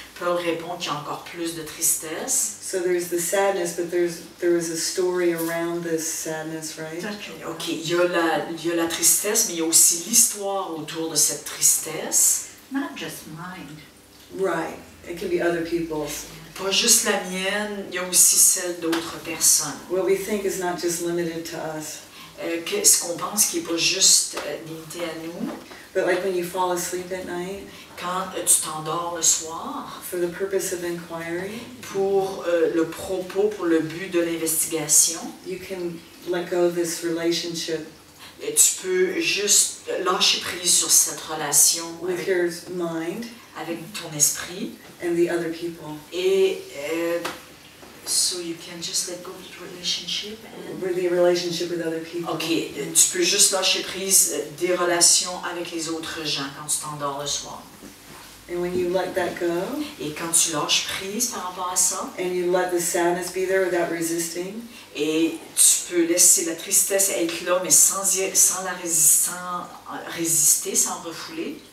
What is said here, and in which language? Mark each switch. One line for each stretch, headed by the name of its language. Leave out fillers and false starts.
French: Paul répond qu'il y a encore plus de tristesse.
English: So there's the sadness, but there is a story around this sadness, right?
French: Ok, il y a la tristesse, mais il y a aussi l'histoire autour de cette tristesse.
English: Not just mine. Right. It can be other people's.
French: Pas juste la mienne, il y a aussi celle d'autres personnes.
English: What we think is not just limited to us.
French: Qu'est-ce qu'on pense qui est pas juste limité à nous?
English: But like when you fall asleep at night,
French: quand tu t'endors le soir,
English: for the purpose of inquiry,
French: pour le propos, pour le but de l'investigation,
English: you can let go of this relationship.
French: Et tu peux juste lâcher prise sur cette relation
English: with avec, your mind,
French: avec ton esprit,
English: and the other people. Et so you can just let go of the relationship and with the relationship with other people.
French: Okay, tu peux juste lâcher prise des relations avec les autres gens quand tu t'endors le soir.
English: And when you let that go,
French: et quand tu lâches prise par rapport à ça,
English: and you let the sadness be there without resisting,
French: et tu peux laisser la tristesse être là mais sans résister, sans refouler.